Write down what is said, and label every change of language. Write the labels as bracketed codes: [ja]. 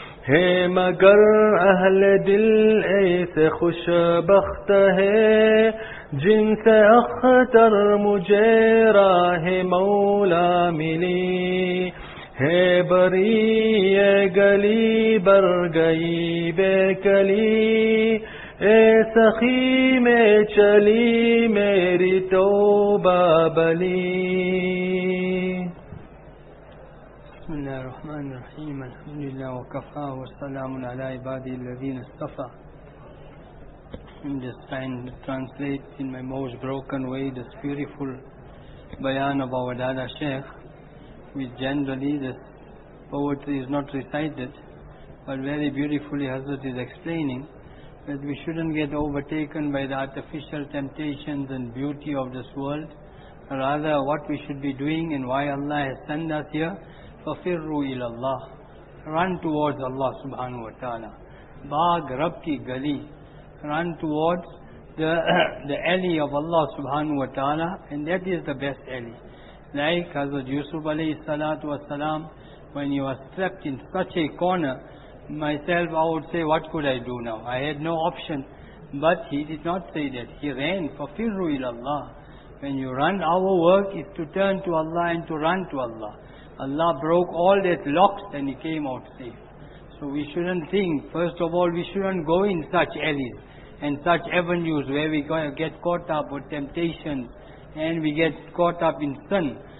[ur] ہے مگر اہل دل ایسے خوش بخت ہے جن سے اختر مجھے راہ مولا ملی ہے بری یہ گلی بر گئی بے کلی اے سخی میں چلی میری توبہ بلی [ar] بسم اللہ الله الرحمن الرحيم الحمد لله وكفى والسلام على عبادي الذين اصطفى. [en] I'm just trying to translate in my most broken way this beautiful bayan of our Dada Sheikh, which generally this poetry is not recited, but very beautifully Hazrat is explaining that we shouldn't get overtaken by the artificial temptations and beauty of this world. Rather, what we should be doing and why Allah has sent us here, [ar] فَفِرُّوا إِلَى اللَّهِ, [en] run towards Allah subhanahu wa ta'ala. [ur] بَاغْ رَبْكِ gali, [en] run towards the alley of Allah subhanahu wa ta'ala, and that is the best alley. Like Hazrat Yusuf alayhi salatu wasalam, when he was trapped in such a corner, myself, I would say, what could I do now? I had no option. But he did not say that. He ran, [ar] فَفِرُّوا إِلَى اللَّهِ. [en] When you run, our work is to turn to Allah and to run to Allah. Allah broke all that locks and he came out safe. So we shouldn't think, first of all, we shouldn't go in such alleys and such avenues where we get caught up with temptations and we get caught up in sin.